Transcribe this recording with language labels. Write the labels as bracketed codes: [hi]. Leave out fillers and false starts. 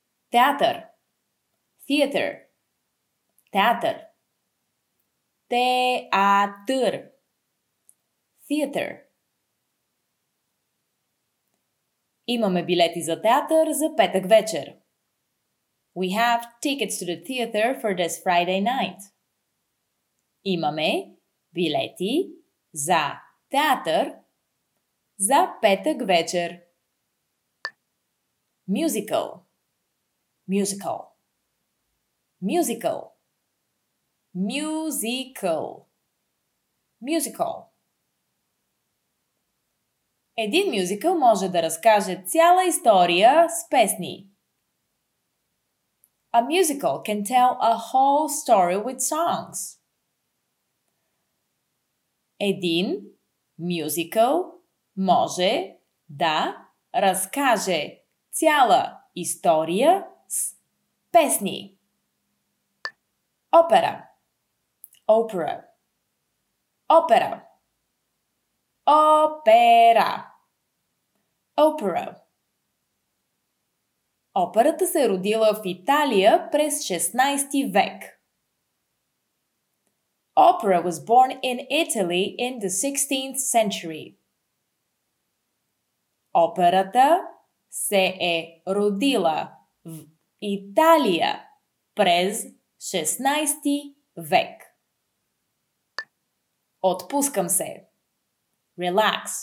[bg] Театър. [en] Theater. [bg] Театър. Театър. [en] Theater. [bg] Имаме билети за театър за петък вечер. [en] We have tickets to the theater for this Friday night. [bg] Имаме билети за театър за петък вечер. [en] Musical. Musical. Musical. Musical. Musical. [bg] Един мюзикъл може да разкаже цяла история с песни. [en] A musical can tell a whole story with songs. [bg] Един мюзикъл може да разкаже цяла история с песни. Опера. Опера. Опера. Опера. Опера. Операта се родила в Италия през 16 век. [en] Opera was born in Italy in the 16th century. [bg] Операта се е родила в Италия през 16 век. Отпускам се. [en] Relax.